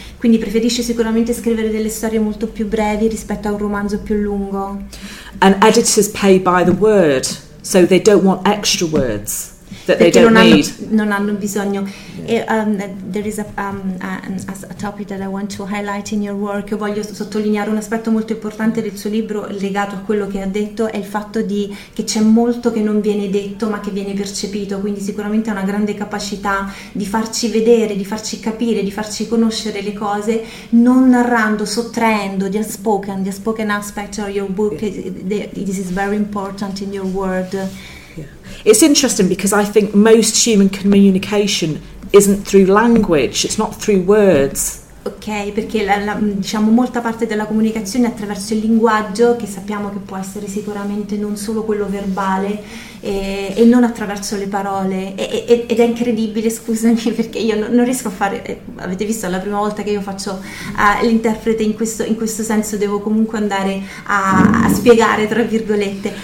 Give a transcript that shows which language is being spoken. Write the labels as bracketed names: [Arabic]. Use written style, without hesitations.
[Italian] Quindi preferisce sicuramente scrivere delle storie molto più brevi rispetto a un romanzo più lungo. [English] And editors pay by the word, so they don't want extra words that [Italian] perché [English] they don't [Italian] non [English] need. [Italian] Non hanno bisogno. [English] There is a topic that I want to highlight in your work. [Italian] Io voglio sottolineare un aspetto molto importante del suo libro legato a quello che ha detto, è il fatto di che c'è molto che non viene detto ma che viene percepito, quindi sicuramente ha una grande capacità di farci vedere, di farci capire, di farci conoscere le cose non narrando, sottraendo. [English] The unspoken aspect of your book, this is very important in your world. It's interesting because I think most human communication isn't through language, it's not through words. [Italian] Ok, perché diciamo molta parte della comunicazione è attraverso il linguaggio, che sappiamo che può essere sicuramente non solo quello verbale, e non attraverso le parole. Ed è incredibile, scusami, perché io non riesco a fare. Avete visto, è la prima volta che io faccio l'interprete in questo senso, devo comunque andare a spiegare, tra virgolette.